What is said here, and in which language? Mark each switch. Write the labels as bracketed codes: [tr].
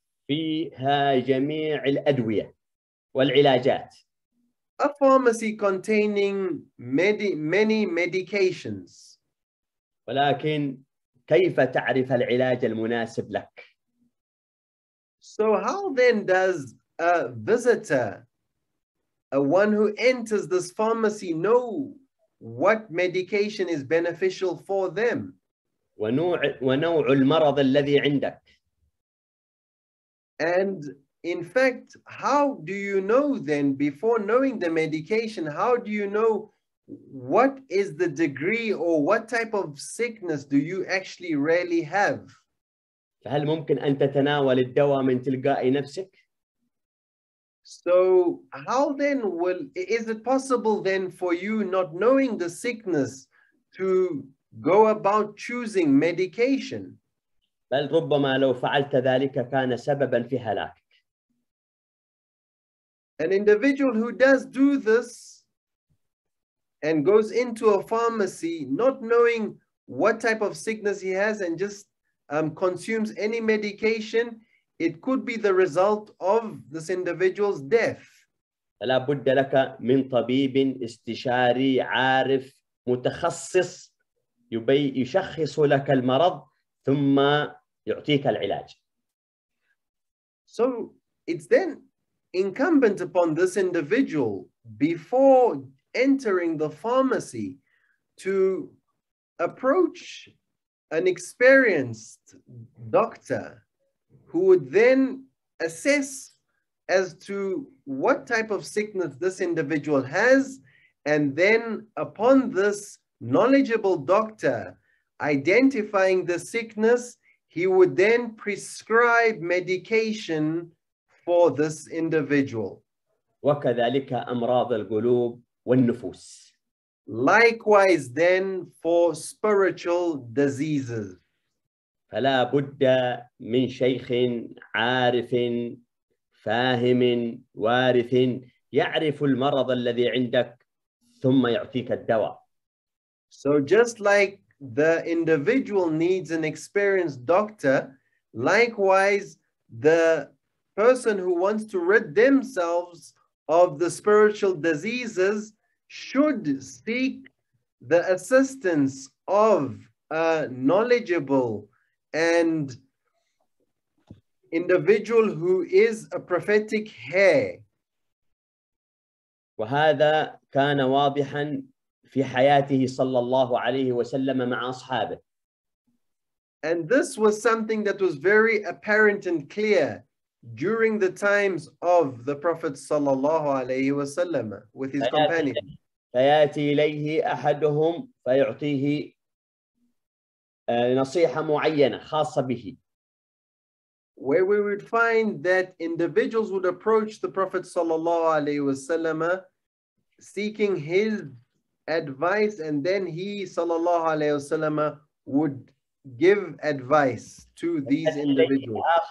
[ar] فيها جميع الأدوية والعلاجات. [en] A pharmacy containing many medications. [ar] ولكن كيف تعرف العلاج المناسب لك؟ [en] So how then does a visitor, a one who enters this pharmacy, know what medication is beneficial for them? [ar] ونوع المرض الذي عندك. [en] And in fact, how do you know then, before knowing the medication, how do you know what is the degree or what type of sickness do you actually really have? [ar] فهل ممكن أن تتناول الدواء من تلقاء نفسك؟ [en] So how then is it possible then for you, not knowing the sickness, to go about choosing medication? [ar] بل ربما لو فعلت ذلك كان سببا في هلاكك. [en] An individual who does do this and goes into a pharmacy not knowing what type of sickness he has and just consumes any medication, it could be the result of this individual's death. [ar] فلا بد لك من طبيب استشاري عارف متخصص يشخص لك المرض ثم يعطيك العلاج. [en] So it's then incumbent upon this individual before entering the pharmacy to approach an experienced doctor who would then assess as to what type of sickness this individual has, and then upon this knowledgeable doctor identifying the sickness, he would then prescribe medication for this individual. [ar] وكذلك أمراض القلوب والنفوس. [en] Likewise then for spiritual diseases. [ar] فلا بد من شيخ عارف فاهم وارث يعرف المرض الذي عندك ثم يعطيك الدواء. [en] So just like the individual needs an experienced doctor, likewise the person who wants to rid themselves of the spiritual diseases should seek the assistance of a knowledgeable and individual who is a prophetic heir. [ar] وهذا كان واضحا في حياته صلى الله عليه وسلم مع أصحابه. [en] And this was something that was very apparent and clear during the times of the Prophet [ar] صلى الله عليه وسلم [en] with his companions. [ar] فيأتي إليه أحدهم فيعطيه نصيحة معينة خاصة به. [en] Where we would find that individuals would approach the Prophet [ar] صلى الله عليه وسلم [en] seeking his advice, and then he [ar] sallallahu alayhi wasallam [en] would give advice to these individuals.